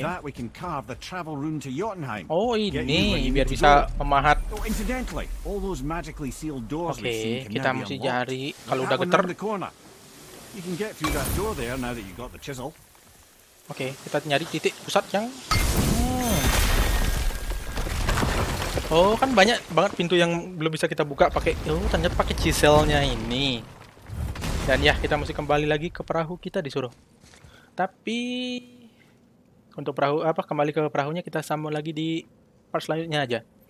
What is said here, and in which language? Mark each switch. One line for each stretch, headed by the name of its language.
English: With that we can carve the travel rune to Jotunheim.
Indonesian: Oh, ini biar bisa memahat.
English: Oh, incidentally, all those magically sealed doors we've seen.
Indonesian: Oke, kita mesti cari kalau udah geter.
English: You can get through that door there now that you got the chisel.
Indonesian: Oke, kita nyari titik pusat yang Oh, kan banyak banget pintu yang belum bisa kita buka pakai ternyata pakai chisel-nya ini. Dan ya, kita mesti kembali lagi ke perahu kita disuruh. Tapi untuk perahu apa kembali ke perahunya kita sambung lagi di part selanjutnya aja.